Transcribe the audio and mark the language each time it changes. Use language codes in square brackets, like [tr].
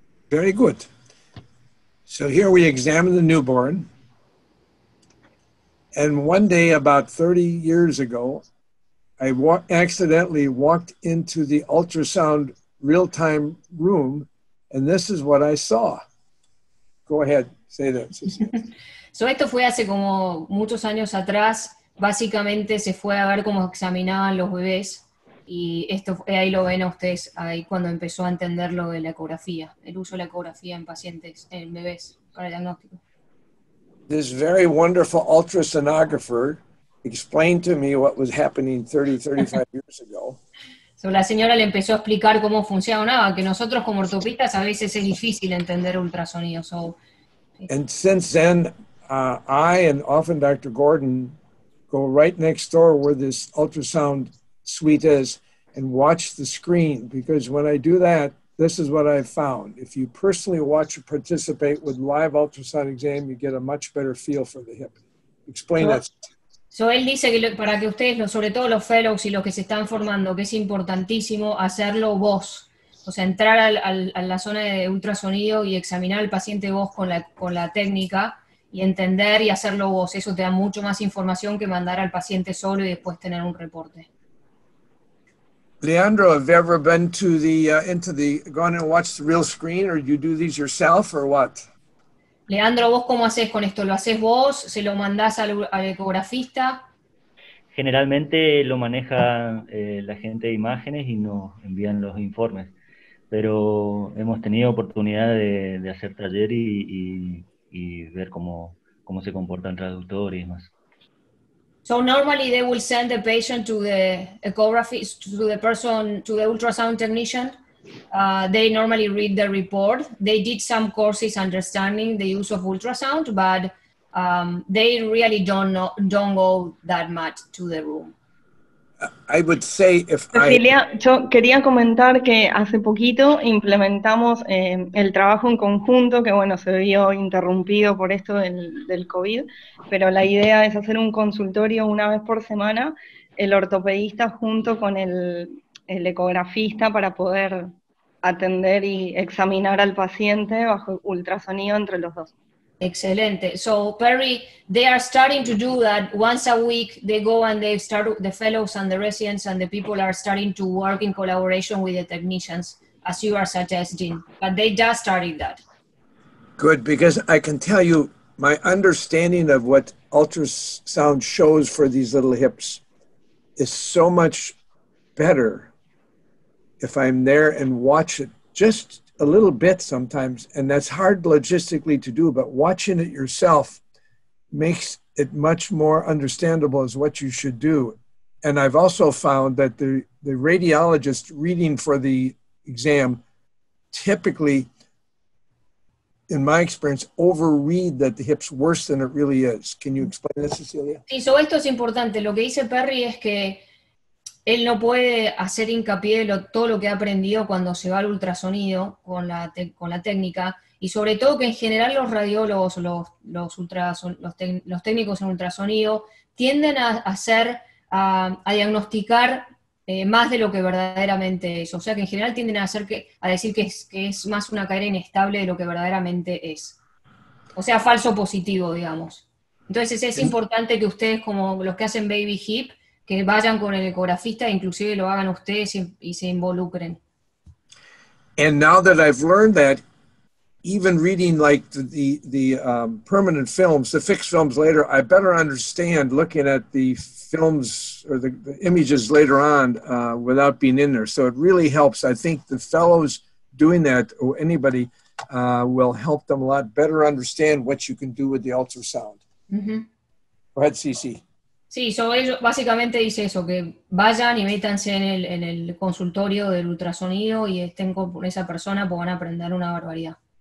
[en] Very good. So here we examine the newborn. And one day, about 30 years ago, I accidentally walked into the ultrasound real-time room, and this is what I saw. Go ahead, say that. [es] So, esto fue hace como muchos años atrás. Básicamente, se fue a ver cómo examinaban los bebés, y esto ahí lo ven a ustedes ahí cuando empezó a entender lo de la ecografía, el uso de la ecografía en pacientes, en bebés para el diagnóstico. [en] This very wonderful ultrasonographer explained to me what was happening 30-35 years ago. [es] So la señora le empezó a explicar cómo funcionaba, que nosotros como ortopistas a veces es difícil entender ultrasonido. [en] So, and since then, I and often Dr. Gordon go right next door where this ultrasound suite is and watch the screen, because when I do that, this is what I've found. If you personally watch or participate with live ultrasound exam, you get a much better feel for the hip. Explain that. So, él dice que para que ustedes, sobre todo los fellows y los que se están formando, que es importantísimo hacerlo vos. O sea, entrar a la zona de ultrasonido y examinar al paciente vos con la técnica y entender y hacerlo vos. Eso te da mucho más información que mandar al paciente solo y después tener un reporte. Leandro, have you ever been to the gone and watched the real screen, or you do these yourself, or what? [es] Leandro, ¿vos cómo haces con esto? ¿Lo haces vos? ¿Se lo mandás al ecografista? Generalmente lo maneja la gente de imágenes y nos envían los informes. Pero hemos tenido oportunidad de hacer taller y ver cómo se comporta el traductor y demás. [en] So normally they will send the patient to the ecographist, to the person, to the ultrasound technician. They normally read the report. They did some courses understanding the use of ultrasound, but they really don't go that much to the room. I would say if [es] Cecilia, yo quería comentar que hace poquito implementamos el trabajo en conjunto, que bueno, se vio interrumpido por esto del COVID, pero la idea es hacer un consultorio una vez por semana, el ortopedista junto con el ecografista para poder atender y examinar al paciente bajo ultrasonido entre los dos. Excelente. [en] So Perry, they are starting to do that once a week. They go and they start, the fellows and the residents and the people are starting to work in collaboration with the technicians, as you are suggesting. But they just started that. Good, because I can tell you my understanding of what ultrasound shows for these little hips is so much better if I'm there and watch it just a little bit sometimes, and that's hard logistically to do, but watching it yourself makes it much more understandable as what you should do. And I've also found that the radiologist reading for the exam typically in my experience, overread that the hip's worse than it really is. Can you explain this, Cecilia? [es] Sí, so esto es importante. Lo que dice Perry es que él no puede hacer hincapié de todo lo que ha aprendido cuando se va al ultrasonido con la técnica, y sobre todo que en general los radiólogos, los técnicos en ultrasonido, tienden a diagnosticar más de lo que verdaderamente es. O sea que en general tienden a decir que es más una cadera inestable de lo que verdaderamente es. O sea, falso positivo, digamos. Entonces es importante que ustedes, como los que hacen baby hip, que vayan con el ecografista, inclusive lo hagan ustedes y se involucren. [en] And now that I've learned that, even reading like the permanent films, the fixed films later, I better understand looking at the films or the images later on without being in there. So it really helps. I think the fellows doing that, or anybody, will help them a lot better understand what you can do with the ultrasound. Mm-hmm. Go ahead, Cece. [es] Sí, so básicamente dice eso, que vayan y métanse en el consultorio del ultrasonido y estén con esa persona, pues van a aprender una barbaridad.